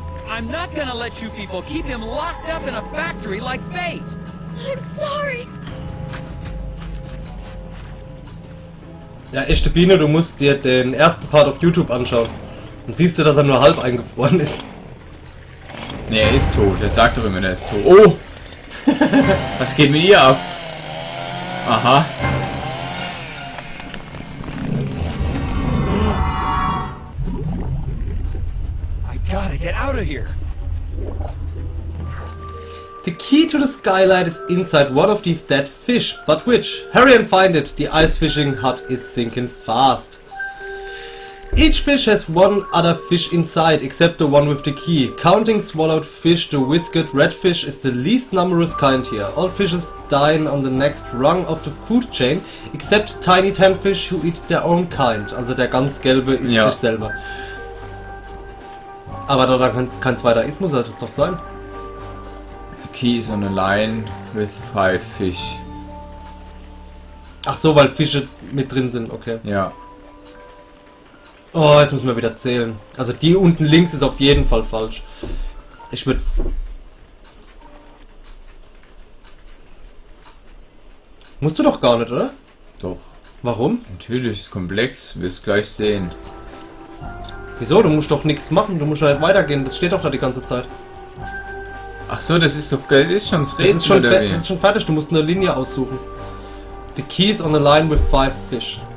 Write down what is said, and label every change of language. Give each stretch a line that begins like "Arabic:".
English: I'm not gonna let you people keep him locked up in a factory like bait. I'm sorry.
German: Ja, echte Biene, du musst dir den ersten Part auf YouTube anschauen. Dann siehst du, dass er nur halb eingefroren ist. Nee, er ist tot. Er sagt doch immer, er ist tot. Oh! Was geht mit ihr ab? Aha.
English: I gotta get out of here. The key to the skylight is inside one of these dead fish, but which? Hurry and find it. The ice fishing hut is sinking fast. Each fish has one other fish inside, except the one with the key. Counting swallowed fish, the whiskered redfish is the least numerous kind here. All fishes dine on the next rung of the food chain, except tiny tenfish who eat their own kind.
German: Also der ganz gelbe ist ja sich selber. Aber da kein zweiter ist, muss das doch sein.
English: The key is on a line with five fish.
German: Ach so, weil Fische mit drin sind, okay. Ja. Oh, jetzt müssen wir wieder zählen. Also die unten links ist auf jeden Fall falsch. Ich würde... Musst du doch gar nicht, oder? Doch. Warum? Natürlich, ist komplex. Wirst gleich sehen. Wieso? Du musst doch nichts machen. Du musst halt weitergehen. Das steht doch da die ganze Zeit. Ach so, das ist doch... Das ist schon das Rätsel, das ist schon, das ist schon fertig. Du musst eine Linie aussuchen.
English: The keys on the line with five fish.